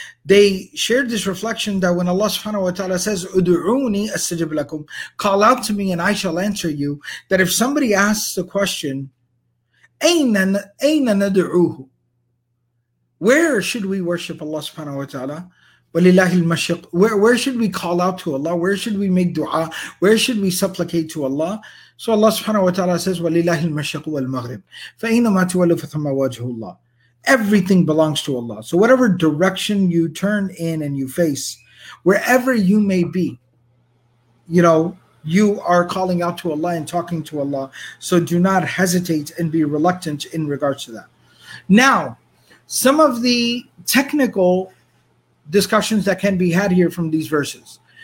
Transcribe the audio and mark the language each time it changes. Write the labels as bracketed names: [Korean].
[English] They shared this reflection that when Allah subhanahu wa ta'ala says, [Arabic] Udu'uni astajib lakum, [English] call out to me and I shall answer you, that if somebody asks the question, [Arabic] Aina nadu'uhu, [English] where should we worship Allah subhanahu wa ta'ala? Where should we call out to Allah? Where should we make dua? Where should we supplicate to Allah? [Arabic] So Allah subhanahu wa ta'ala says, وَلِلَّهِ الْمَشْيَقُ وَالْمَغْرِبِ فَإِنَّمَا تُوَلُّ فَثَمَّ وَجْهُ اللَّهِ. [English] Everything belongs to Allah. So whatever direction you turn in and you face, wherever you may be, you know, you are calling out to Allah and talking to Allah. So do not hesitate and be reluctant in regards to that. Now, some of the technical discussions that can be had here from these verses.